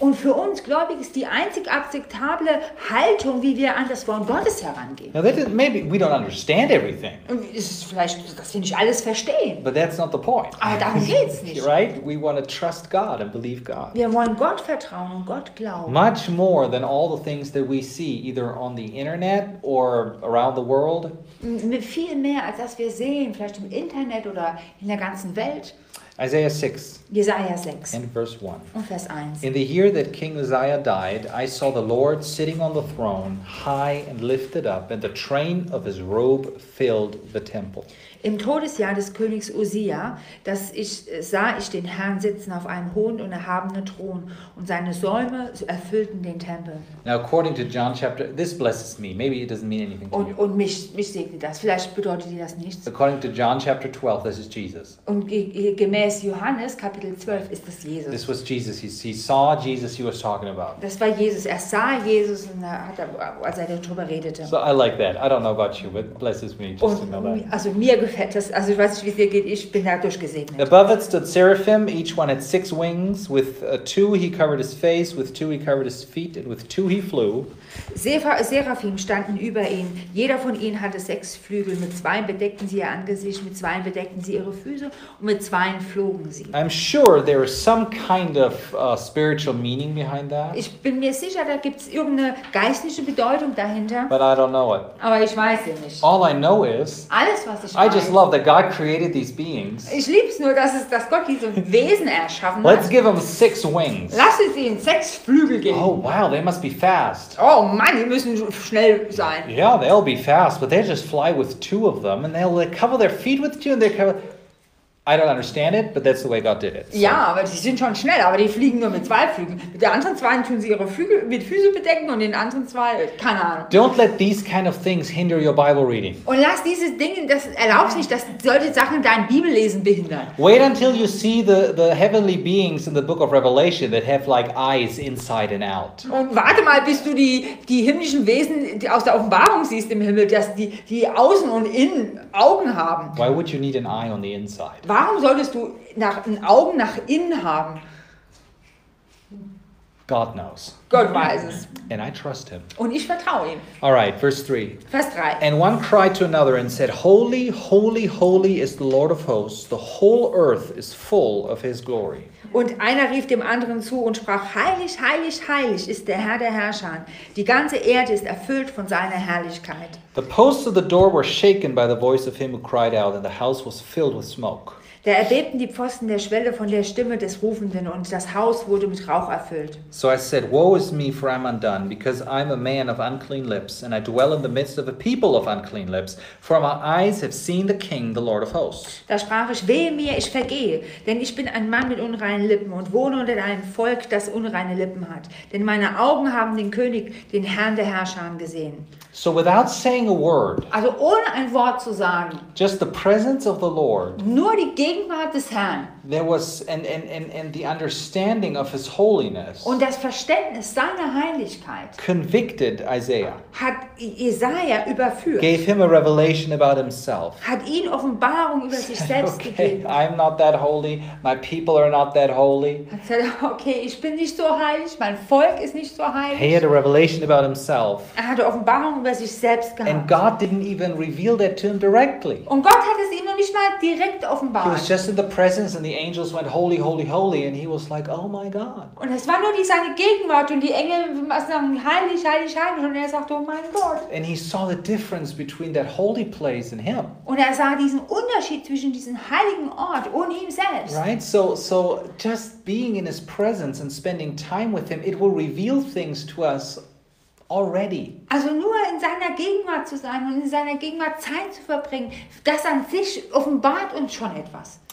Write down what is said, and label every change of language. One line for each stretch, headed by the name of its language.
German: Und für uns Gläubige ist die einzig akzeptable Haltung, wie wir an das Wort Gottes herangehen.
English: Now that is, maybe we don't understand everything.
German: Ist vielleicht, dass wir nicht alles verstehen.
English: But that's not the point.
German: Aber darum geht's nicht.
English: Right? We want to trust God and believe God.
German: Wir wollen Gott vertrauen und Gott glauben.
English: Much more than all the things that we see either on the internet or around the world.
German: Viel mehr als das wir sehen, vielleicht im Internet oder in der ganzen Welt.
English: Isaiah 6.
German: Jesaja 6.
English: And verse 1.
German: Und Vers 1.
English: In the year that King Uzziah died, I saw the Lord sitting on the throne, high and lifted up, and the train of his robe filled the temple.
German: Im Todesjahr des Königs Uzzia, sah ich den Herrn sitzen auf einem hohen und erhabenen Thron, und seine Säume erfüllten den Tempel.
English: Now according to John chapter, this blesses me. Maybe it doesn't mean anything to
German: und,
English: you.
German: Und mich segnet das. Vielleicht bedeutet dir das nichts.
English: According to John chapter 12, this is Jesus.
German: Und gemäß Johannes Kapitel 12 ist das Jesus.
English: This was Jesus. He saw Jesus. He was talking about.
German: Das war Jesus. Er sah Jesus und hat als er darüber redete.
English: So I like that. I don't know about you, but blesses me just
German: und,
English: to know that.
German: Also mir das, also ich weiß nicht, wie es dir geht, ich bin dadurch gesegnet.
English: Above it stood seraphim, each one had six wings, with two he covered his face, with two he covered his feet, and with two he flew.
German: Seraphim standen über ihm, jeder von ihnen hatte sechs Flügel, mit zwei bedeckten sie ihr Angesicht, mit zwei bedeckten sie ihre Füße, und mit zwei flogen sie.
English: I'm sure there is some kind of spiritual meaning behind that.
German: Ich bin mir sicher, da gibt es irgendeine geistliche Bedeutung dahinter.
English: But I don't know it.
German: Aber ich weiß es nicht.
English: All I know is,
German: alles was ich
English: I just love that God created these beings.
German: Ich lieb's nur, dass Gott diese Wesen erschaffen hat.
English: Let's give them six wings.
German: Lass es ihnen sechs Flügel geben.
English: Oh wow, they must be fast.
German: Oh Mann, die müssen schnell sein.
English: Yeah, they'll be fast, but they just fly with two of them and they'll cover their feet with two and they cover. I don't understand it, but that's the way God did it.
German: So. Ja, aber die sind schon schnell, aber die fliegen nur mit zwei Flügeln. Mit den anderen zwei tun sie ihre Flügel mit Füßen bedecken und den anderen zwei, keine Ahnung.
English: Don't let these kind of things hinder your Bible reading.
German: Und lass diese Dinge, das erlaubt nicht, dass solche Sachen dein Bibellesen behindern.
English: Wait until you see the heavenly beings in the book of Revelation that have like eyes inside and out.
German: Und warte mal, bis du die himmlischen Wesen die aus der Offenbarung siehst im Himmel, dass die außen und innen Augen haben.
English: Why would you need an eye on the inside?
German: Warum solltest du ein Auge nach innen haben?
English: God knows.
German: Gott weiß es.
English: And I trust him.
German: Und ich vertraue ihm.
English: All right, verse 3.
German: Vers 3.
English: And one cried to another and said, Holy, holy, holy is the Lord of hosts. The whole earth is full of his glory.
German: Und einer rief dem anderen zu und sprach, Heilig, heilig, heilig ist der Herr der Herrscher. Die ganze Erde ist erfüllt von seiner Herrlichkeit.
English: The posts of the door were shaken by the voice of him who cried out, and the house was filled with smoke.
German: Da erbebten die Pfosten der Schwelle von der Stimme des Rufenden und das Haus wurde mit Rauch erfüllt.
English: So I said, Woe is me, for I am undone, because I am a man of unclean lips, and I dwell in the midst of a people of unclean lips, for my eyes have seen the King, the Lord of hosts.
German: Da sprach ich, Wehe mir, ich vergehe, denn ich bin ein Mann mit unreinen Lippen und wohne unter einem Volk, das unreine Lippen hat. Denn meine Augen haben den König, den Herrn der Herrscher, gesehen.
English: So without saying a word,
German: also ohne ein Wort zu sagen,
English: just the presence of the Lord,
German: nur die Gegenwart des Herrn,
English: there was and the understanding of his holiness,
German: und das Verständnis seiner Heiligkeit,
English: convicted Isaiah,
German: hat Jesaja überführt,
English: gave him a revelation about himself,
German: hat ihn Offenbarung über sich selbst gegeben.
English: Okay, I'm not that holy, my people are not that holy.
German: Hat gesagt, okay, ich bin nicht so heilig, mein Volk ist nicht so heilig.
English: He had a revelation about himself.
German: Er hatte Offenbarung über sich selbst gehabt.
English: And God didn't even reveal that to him directly.
German: Und Gott hat es ihm noch nicht mal direkt offenbart.
English: He was just in the presence and the angels went holy, holy, holy and he was like, oh my God.
German: Und es war nur die seine Gegenwart und die Engel sagen, heilig, heilig, heilig und er sagte, oh mein Gott.
English: And he saw the difference between that holy place and him.
German: Und er sah diesen Unterschied zwischen diesem heiligen Ort und ihm selbst.
English: Right? So just being in his presence and spending time with him, it will reveal things to us already.
German: Also nur in seiner Gegenwart zu sein und in seiner Gegenwart Zeit zu verbringen, das an sich offenbart uns schon etwas.